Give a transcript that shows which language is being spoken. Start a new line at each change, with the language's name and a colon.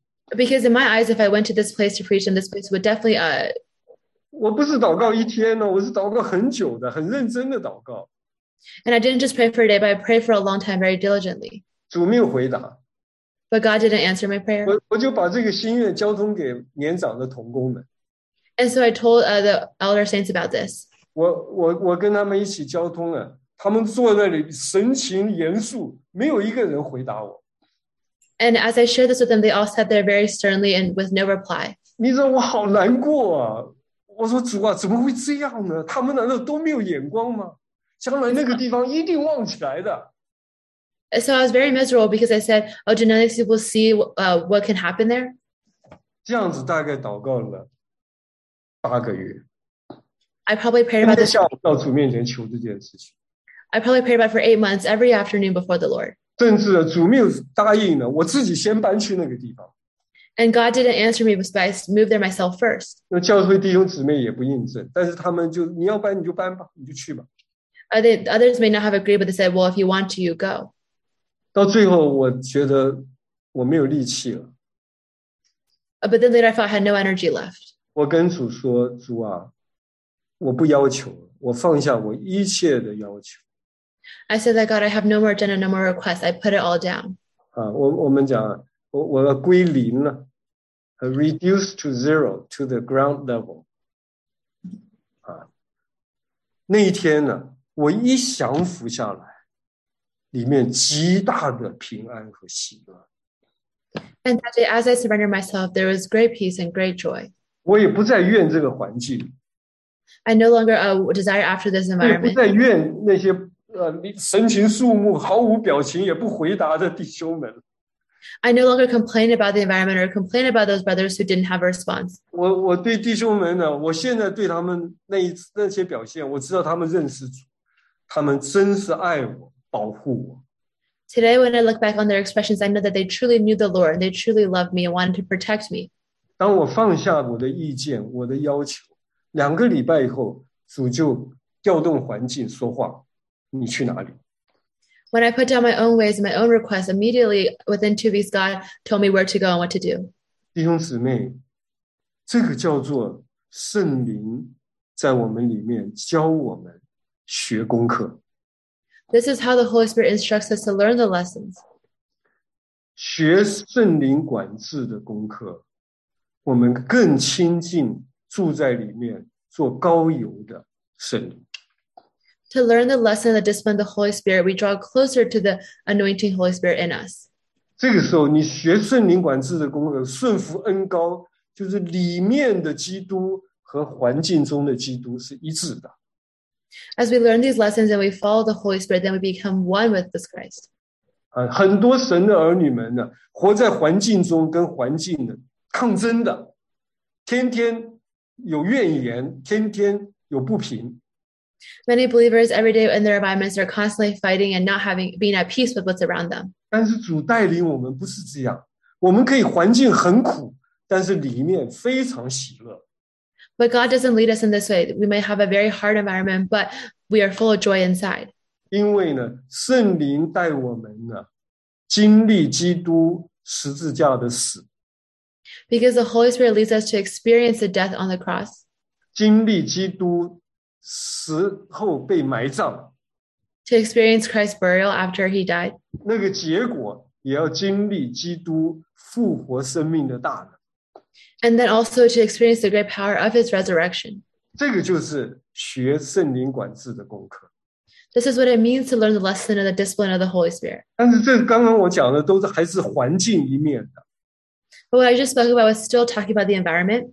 English: Because in my eyes, if I went to this place to preach, then this place would definitely...
Chinese: 我不是祷告一天呢，我是祷告很久的，很认真的祷告。
English: And I didn't just pray for a day, but I prayed for a long time very diligently.
Chinese: 主没有回答。
English: But God didn't answer my prayer.
Chinese: 我就把这个心愿交通给年长的同工们。
English: And so I told the elder saints about this.
Chinese: 我跟他们一起交通了，他们坐在那里神情严肃，没有一个人回答我。
English: And as I shared this with them, they all sat there very sternly and with no reply.
Chinese: 你知道我好难过啊！我说主啊，怎么会这样呢？他们难道都没有眼光吗？将来那个地方一定旺起来的。
English: So I was very miserable because I said, "Oh, do none of these people see what can happen there?"
Chinese: 这样子大概祷告了八个月。
English: I probably prayed about
Chinese: 天天下午到主面前求这件事情。
English: I probably prayed about for 8 months every afternoon before the Lord.
Chinese: 甚至主没有答应呢，我自己先搬去那个地方。
English: And God didn't answer me, but I moved there myself first.
Chinese: 那教会弟兄姊妹也不应证，但是他们就你要搬你就搬吧，你就去吧。
English: Others may not have agreed, but they said, "Well, if you want to, you go."
Chinese: 到最后，我觉得我没有力气了。
English: But then later, I felt I had no energy left.
Chinese: 我跟主说：“主啊，我不要求了，我放下我一切的要求。”
English: I said that God, I have no more agenda, no more requests. I put it all down.
Chinese: 啊，我们讲，我要归零了 ，
English: reduce to zero, to the ground level.
Chinese: 啊，那一天呢？我一降服下来，里面极大的平安和喜乐。
English: And that day, as I surrendered myself, there was great peace and great joy.
Chinese: 我也不再怨这个环境。
English: I no longer desire after this environment.
Chinese: 也不再怨那些神情肃穆、毫无表情也不回答的弟兄们。
English: I no longer complain about the environment or complain about those brothers who didn't have a response.
Chinese: 我对弟兄们呢，我现在对他们那些表现，我知道他们认识主。他们真是爱我，保护我。
English: Today, when I look back on their expressions, I know that they truly knew the Lord. They truly loved me and wanted to protect me.
Chinese: 当我放下我的意见，我的要求，两个礼拜以后，主就调动环境说话，你去哪里？
English: When I put down my own ways and my own requests, immediately within 2 weeks, God told me where to go and what to do.
Chinese: 弟兄姊妹，这个叫做圣灵在我们里面教我们。学功课。
English: This is how the Holy Spirit instructs us to learn the lessons.
Chinese: 学圣灵管制的功课，我们更亲近住在里面做膏油的圣灵。
English: To learn the lesson, the discipline of the Holy Spirit, we draw closer to the anointing Holy Spirit in us.
Chinese: 这个时候，你学圣灵管制的功课，顺服恩膏，就是里面的基督和环境中的基督是一致的。
English: As we learn these lessons and we follow the Holy Spirit, then we become one with this Christ.
Chinese: 很多神的儿女们呢，活在环境中跟环境的抗争的，天天有怨言，天天有不平。
English: Many believers every day in their environments are constantly fighting and not having being at peace with what's around them.
Chinese: 但是主带领我们不是这样，我们可以环境很苦，但是里面非常喜乐。
English: But God doesn't lead us in this way. We may have a very hard environment, but we are full of joy inside.
Chinese: 因为呢，圣灵带我们呢，经历基督十字架的死。
English: Because the Holy Spirit leads us to experience the death on the cross.
Chinese: 经历基督死后被埋葬。
English: To experience Christ's burial after he died.
Chinese: 那个结果也要经历基督复活生命的大能。
English: And then also to experience the great power of his resurrection.
Chinese: 这个就是学圣灵管制的功课。
English: This is what it means to learn the lesson of the discipline of the Holy Spirit.
Chinese: 但是这刚刚我讲的都是还是环境一面的。
English: But what I just spoke about was still talking about the environment.